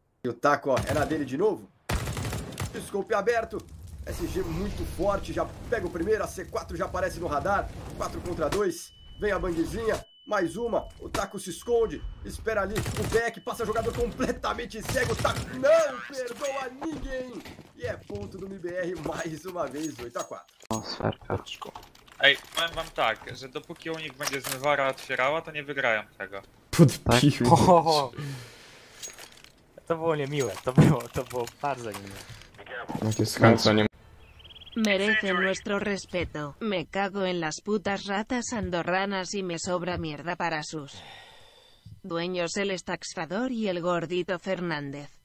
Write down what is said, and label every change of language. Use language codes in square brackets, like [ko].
[pt] E o taco, ó, era dele de novo? Scope aberto, SG muito forte, já pega o primeiro, a C4 já aparece no radar, 4 contra 2, vem a bangzinha, mais uma, o taco se esconde, espera ali, o back, passa jogador completamente cego, o taco não perdoa ninguém, e é ponto do MIBR mais uma vez, 8-4. Nossa, era cara, desculpa. [pl] Ej, powiem wam tak, że dopóki u nich będzie zmywara otwierała, to nie wygrają tego. Pod pichu. To było niemiłe, to było bardzo niemiłe. [es] Merecen nuestro respeto. Me cago en las putas ratas andorranas y me sobra mierda para sus dueños el estaxador y el gordito Fernández.